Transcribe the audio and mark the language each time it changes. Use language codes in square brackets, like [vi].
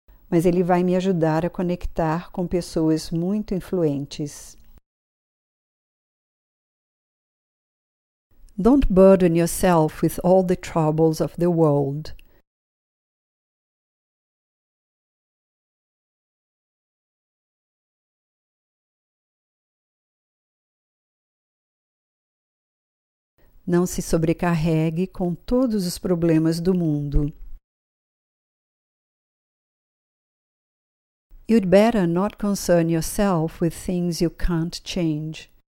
[pt] mas ele vai me ajudar a conectar com pessoas muito influentes. [en] Don't burden yourself with all the troubles of the world. [pt] Não se sobrecarregue com todos os problemas do mundo. [en] You'd better not concern yourself with things you can't change.